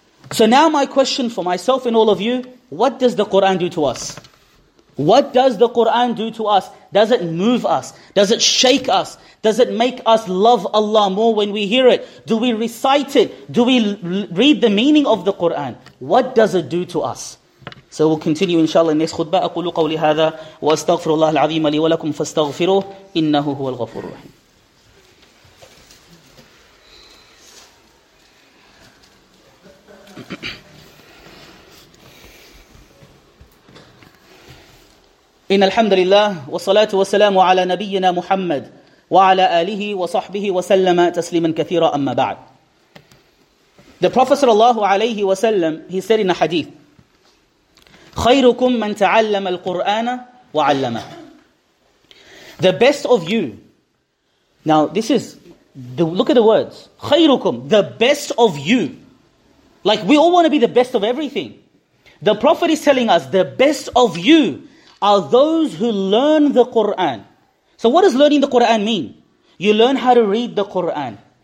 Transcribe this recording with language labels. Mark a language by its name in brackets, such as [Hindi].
[English] So now my question for myself and all of you, what does the Qur'an do to us? What does the Qur'an do to us? Does it move us? Does it shake us? Does it make us love Allah more when we hear it? Do we recite it? Do we read the meaning of the Qur'an? What does it do to us? So we'll continue inshallah in next khutbah. [Arabic] أقول قولي هذا وأستغفر الله العظيم لي ولكم فاستغفروه إنه هو الغفور الرحيم. إن الحمد لله والصلاة والسلام على نبينا محمد وعلى آله وصحبه وسلم تسليما كثيرا أما بعد. [English] The Prophet [Arabic] صلى الله عليه وسلم, [English] he said in a hadith, [Arabic] خيركم من تعلم القرآن وعلمه. [English] The best of you. Now this is, look at the words. خيركم, the best of you. Like we all want to be the best of everything. The Prophet is telling us the best of you are those who learn the Qur'an. So what does learning the Qur'an mean? You learn how to read the Qur'an.